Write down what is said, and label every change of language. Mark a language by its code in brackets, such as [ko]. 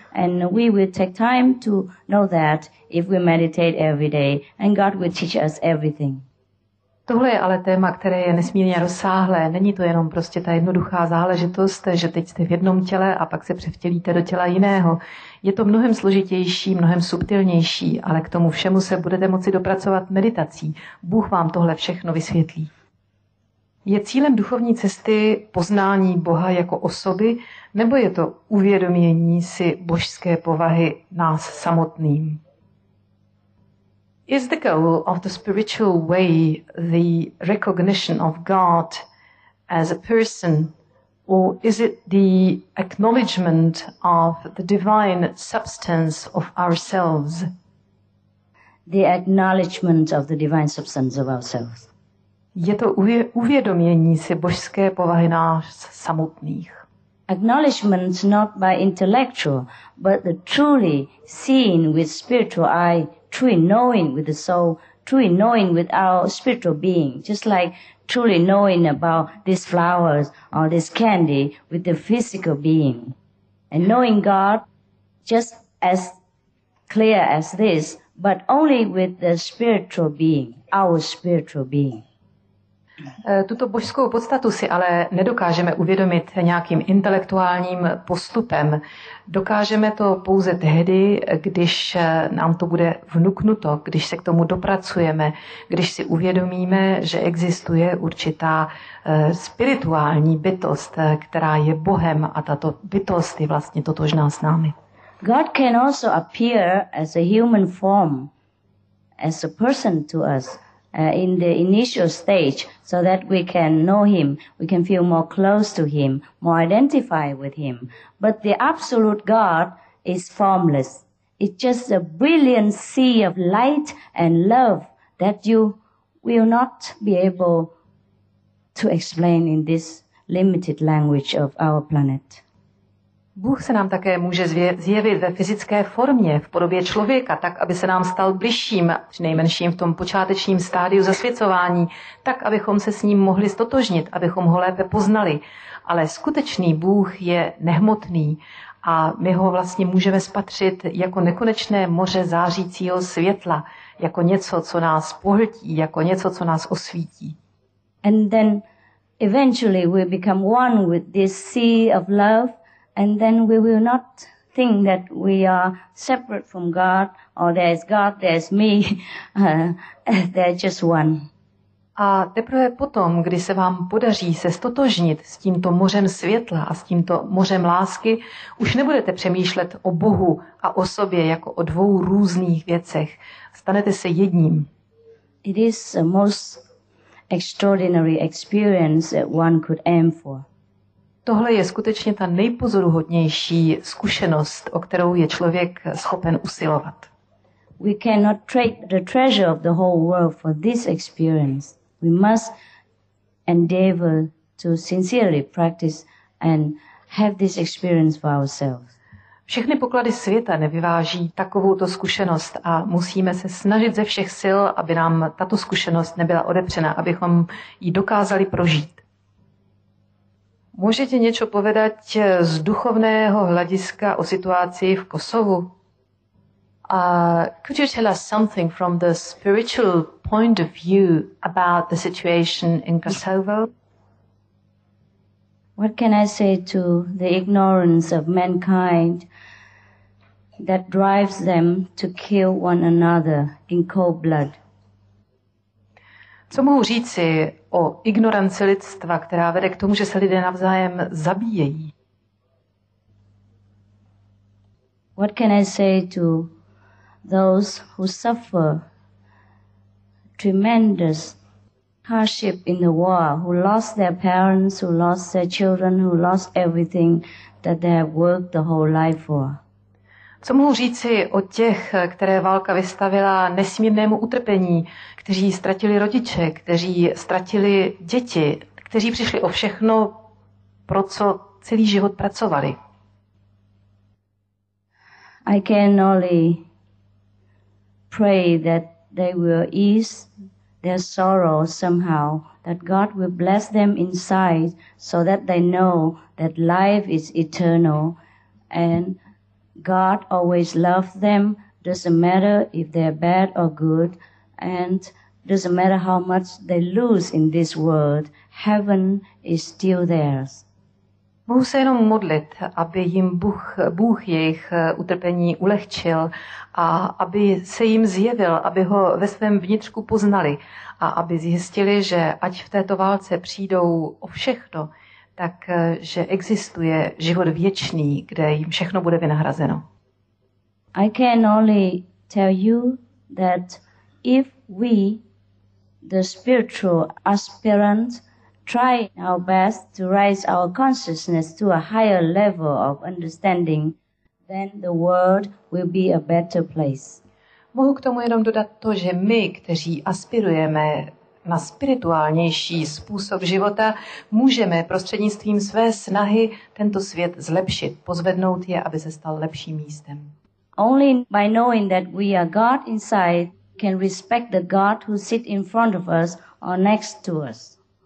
[en] And we will take time to know that if we meditate every day and God will teach us everything. [cs] Tohle je ale téma, které je nesmírně rozsáhlé. Není to jenom prostě ta jednoduchá záležitost, že teď jste v jednom těle a pak se převtělíte do těla jiného. Je to mnohem složitější, mnohem subtilnější, ale k tomu všemu se budete moci dopracovat meditací. Bůh vám tohle všechno vysvětlí. Je cílem duchovní cesty poznání Boha jako osoby, nebo je to uvědomění si božské povahy nás samotným? [en] Is the goal of the spiritual way the recognition of God as a person, or is it the acknowledgement of the divine substance of ourselves? The acknowledgement of the divine substance of ourselves. [cs] Je to uvědomění si božské povahy nás samotných. [en] acknowledgments not by intellectual, but the truly seeing with spiritual eye, truly knowing with the soul, truly knowing with our spiritual being, just like truly knowing about these flowers or this candy with the physical being. And knowing God just as clear as this, but only with the spiritual being, our spiritual being. [cs] Tuto božskou podstatu si ale nedokážeme uvědomit nějakým intelektuálním postupem. Dokážeme to pouze tehdy, když nám to bude vnuknuto, když se k tomu dopracujeme, když si uvědomíme, že existuje určitá spirituální bytost, která je Bohem, a tato bytost je vlastně totožná s námi. [en] God can also appear as a human form, as a person to us, in the initial stage, so that we can know him, we can feel more close to him, more identify with him. But the absolute God is formless. It's just a brilliant sea of light and love that you will not be able to explain in this limited language of our planet. [cs] Bůh se nám také může zjevit ve fyzické formě, v podobě člověka, tak, aby se nám stal bližším, přinejmenším v tom počátečním stádiu zasvěcování, tak, abychom se s ním mohli ztotožnit, abychom ho lépe poznali. Ale skutečný Bůh je nehmotný a my ho vlastně můžeme spatřit jako nekonečné moře zářícího světla, jako něco, co nás pohltí, jako něco, co nás osvítí. [en] And then eventually we become one with this sea of love. And then we will not think that we are separate from God, there's me, they're just one. [cs] A teprve potom, kdy se vám podaří se ztotožnit s tímto mořem světla a s tímto mořem lásky, už nebudete přemýšlet o Bohu a o sobě jako o dvou různých věcech. Stanete se jedním. [en] It is the most extraordinary experience that one could aim for. [cs] Tohle je skutečně ta nejpozoruhodnější zkušenost, o kterou je člověk schopen usilovat. [en] We cannot trade the treasure of the whole world for this experience. We must endeavor to sincerely practice and have this experience for ourselves. [cs] Všechny poklady světa nevyváží takovouto zkušenost a musíme se snažit ze všech sil, aby nám tato zkušenost nebyla odepřena, abychom ji dokázali prožít. Můžete něco povedat z duchovného hlediska o situaci v Kosovu? [en] Could you tell us something from the spiritual point of view about the situation in Kosovo? What can I say to the ignorance of mankind that drives them to kill one another in cold blood? [cs] Co mohu říci o ignoranci lidstva, která vede k tomu, že se lidé navzájem zabíjejí? [en] What can I say to those who suffer tremendous hardship in the war, who lost their parents, who lost their children, who lost everything that they have worked the whole life for? [cs] Co mohu říci o těch, které válka vystavila nesmírnému utrpení, kteří ztratili rodiče, kteří ztratili děti, kteří přišli o všechno, pro co celý život pracovali? [en] I can only pray that they will ease their sorrow somehow, that God will bless them inside so that they know that life is eternal and God always loves them, doesn't matter if they're bad or good, and doesn't matter how much they lose in this world, heaven is still theirs. [cs] Mohu se jenom modlit, aby jim Bůh jejich utrpení ulehčil a aby se jim zjevil, aby ho ve svém vnitřku poznali a aby zjistili, že ať v této válce přijdou o všechno, tak že existuje život věčný, kde jim všechno bude vynahrazeno. [en] I can only tell you that if we, the spiritual aspirant, try our best to raise our consciousness to a higher level of understanding, then the world will be a better place. [cs] Mohu k tomu jenom dodat to, že my, kteří aspirujeme na spirituálnější způsob života, můžeme prostřednictvím své snahy tento svět zlepšit, pozvednout je, aby se stal lepším místem. [en] Only by knowing that we are God inside can respect the God who sit in front of us or next to us.